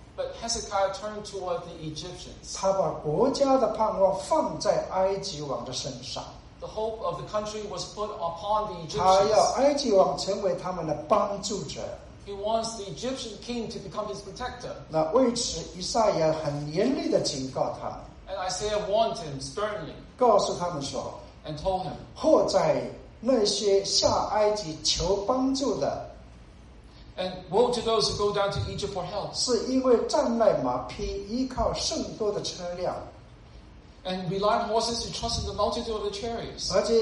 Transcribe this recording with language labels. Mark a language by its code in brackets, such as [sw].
[en] but Hezekiah turned toward the Egyptians. [zh] 他把国家的盼望放在埃及王的身上, [en] the hope of the country was put upon the Egyptians. [zh] 他要埃及王成为他们的帮助者, [en] he wants the Egyptian king to become his protector. [zh] 那为此以赛亚很严厉地警告他, [en] and Isaiah warned him sternly, [zh] 告诉他们说, [en] and told him, [zh] 祸在那些下埃及求帮助的, [en] and woe to those who go down to Egypt for help, [zh] 是因为战败马匹依靠圣多的车辆, [en] and rely on horses to trust in the multitude of the chariots,